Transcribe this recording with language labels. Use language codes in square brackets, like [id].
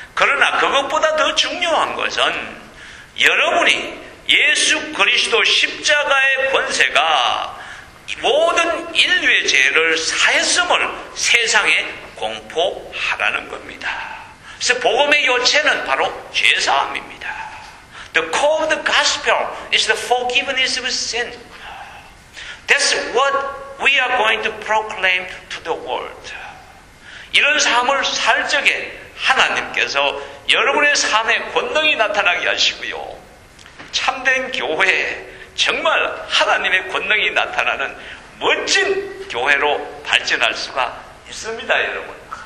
[ko] 그러나 그것보다 더 중요한 것은 여러분이 예수 그리스도 십자가의 권세가 모든 인류의 죄를 사했음을 세상에 공포하라는 겁니다. 그래서 복음의 요체는 바로 죄사함입니다. [en] The core of the gospel is the forgiveness of sin. That's what we are going to proclaim to the world. [ko] 이런 삶을 살 적에 하나님께서 여러분의 삶에 권능이 나타나게 하시고요. 참된 교회에 정말 하나님의 권능이 나타나는 멋진 교회로 발전할 수가 있습니다, 여러분.